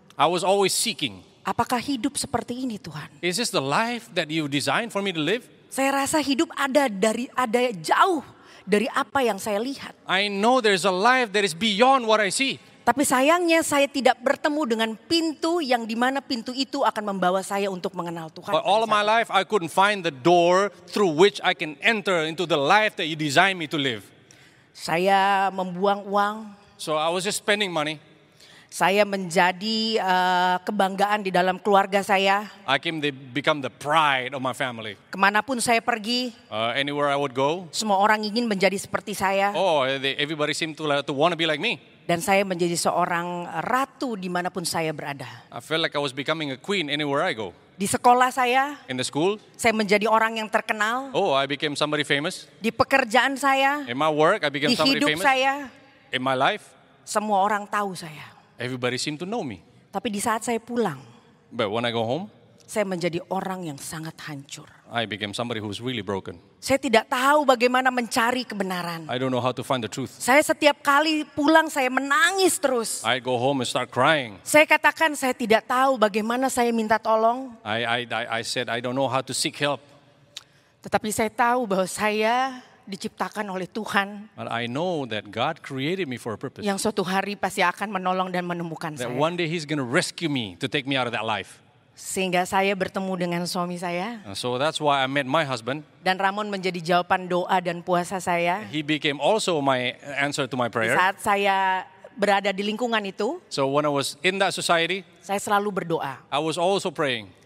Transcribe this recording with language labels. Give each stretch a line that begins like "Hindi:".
English: I was always seeking.
Indonesian: Apakah hidup seperti ini, Tuhan?
English: Is this the life that you designed for me to live?
Indonesian: Saya rasa hidup ada jauh dari apa yang saya lihat.
English: I know there's a life that is beyond what I see.
Indonesian: Tapi sayangnya saya tidak bertemu dengan pintu yang di mana pintu itu akan membawa saya untuk mengenal Tuhan.
English: But all of my life I couldn't find the door through which I can enter into the life that you designed me to live.
Indonesian: Saya membuang uang.
English: So I was just spending money.
Indonesian: Saya menjadi kebanggaan di dalam keluarga saya.
English: I came to become the pride of my family.
Indonesian: Kemanapun saya pergi.
English: Anywhere I would go.
Indonesian: Semua orang ingin menjadi seperti saya.
English: Oh, everybody seemed to want to be like me.
Indonesian: Dan saya menjadi seorang ratu dimanapun saya berada.
English: I felt like I was becoming a queen anywhere I go.
Indonesian: Di sekolah saya.
English: In the school.
Indonesian: Saya menjadi orang yang terkenal.
English: Oh, I became somebody famous.
Indonesian: Di pekerjaan saya.
English: In my work, I became somebody famous.
Indonesian: Di hidup saya.
English: In my life.
Indonesian: Semua orang tahu saya.
English: Everybody seemed to know me.
Indonesian: Tapi di saat saya pulang,
English: but when I go home,
Indonesian: saya menjadi orang yang sangat hancur.
English: I became somebody who's really broken.
Indonesian: Saya tidak tahu bagaimana mencari kebenaran.
English: I don't know how to find the truth.
Indonesian: Saya setiap kali pulang saya menangis terus.
English: I go home and start crying.
Indonesian: Saya katakan saya tidak tahu bagaimana saya minta tolong.
English: I said I don't know how to seek help.
Indonesian: Tetapi saya tahu bahwa saya diciptakan oleh Tuhan.
English: But I know that God created me for a purpose.
Indonesian: Yang suatu hari pasti akan menolong dan menemukan
English: that
Indonesian: saya.
English: That one day he's going to rescue me to take me out of that life.
Indonesian: Sehingga saya bertemu dengan suami saya.
English: So that's why I met my husband.
Indonesian: Dan Ramon menjadi jawaban doa dan puasa saya.
English: He became also my answer to my prayer.
Indonesian: Saat saya berada di lingkungan itu.
English: So when I was in that society.
Indonesian: Saya selalu berdoa.
English: I was also praying.